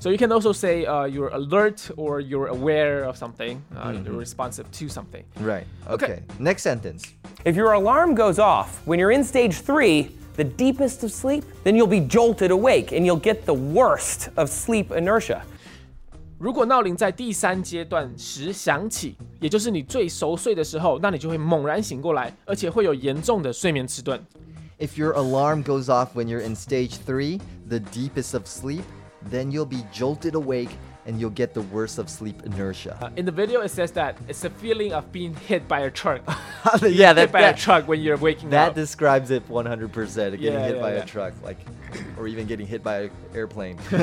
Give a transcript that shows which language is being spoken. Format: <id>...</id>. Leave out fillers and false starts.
<en>So you can also say you're alert or you're aware of something. Mm-hmm. You're responsive to something. Right. Okay. Next sentence. If your alarm goes off when you're in stage three, the deepest of sleep, then you'll be jolted awake and you'll get the worst of sleep inertia.</en> <zh>如果闹铃在第三阶段时响起，也就是你最熟睡的时候，那你就会猛然醒过来，而且会有严重的睡眠迟钝。</zh> <en>If your alarm goes off when you're in stage three, the deepest of sleep, then you'll be jolted awake and you'll get the worst of sleep inertia. In the video, it says that it's a feeling of being hit by a truck. Yeah, a truck when you're waking that up. That describes it 100%, getting hit by a truck, like, or even getting hit by an airplane.</en>